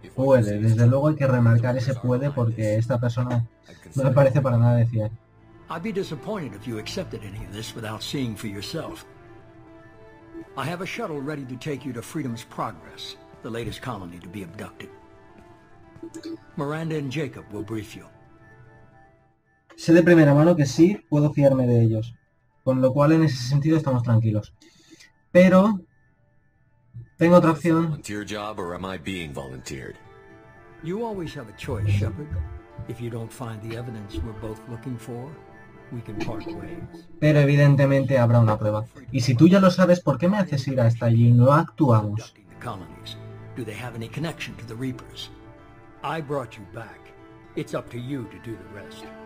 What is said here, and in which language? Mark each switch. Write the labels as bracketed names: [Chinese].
[Spanish] Puede, desde luego hay que remarcar ese puede porque esta persona no me parece para nada de fiar. [English] I'd be disappointed if you accepted any of this without seeing for yourself. I have a shuttle ready to take you to Freedom's Progress, the latest colony to be abducted. Miranda and Jacob will brief you. [Spanish] Sé de primera mano que sí puedo fiarme de ellos, con lo cual en ese sentido estamos tranquilos. Pero tengo otra opción. [English] Volunteer job or am I being volunteered? You always have a choice, Shepard. If you don't find the evidence we're both looking for, we can part ways. [Spanish] Pero evidentemente habrá una prueba. Y si tú ya lo sabes, ¿por qué me haces ir hasta allí y no actuamos? [English] Do they have any connection to the Reapers? I brought you back. It's up to you to do the rest.